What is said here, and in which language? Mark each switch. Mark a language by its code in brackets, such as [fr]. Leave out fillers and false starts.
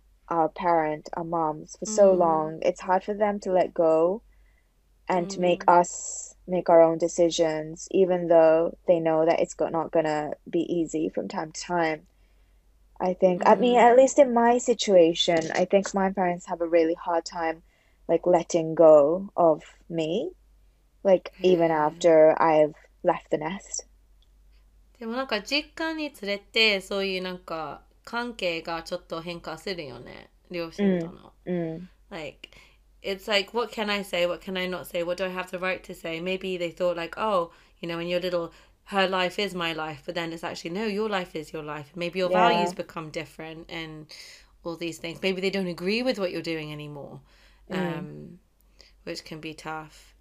[en] our parent, our moms, for so long, it's hard for them to let go and to make us make our own decisions, even though they know that it's not going to be easy from time to time. I think, I mean, at least in my situation, I think my parents have a really hard time, like, letting go of me, like, even after I've left the nest. [ja] でもなんか実家に連れてそういうなんか関係がちょっと変化するよね、両親との。 [en] Like, it's like, what can I say? What can I not say? What do I have the right to say? Maybe they thought like, oh, you know, when you're little, her life is my life. But then it's actually, no, your life is your life. Maybe your values become different and all these things. Maybe they don't agree with what you're doing anymore, which can be tough.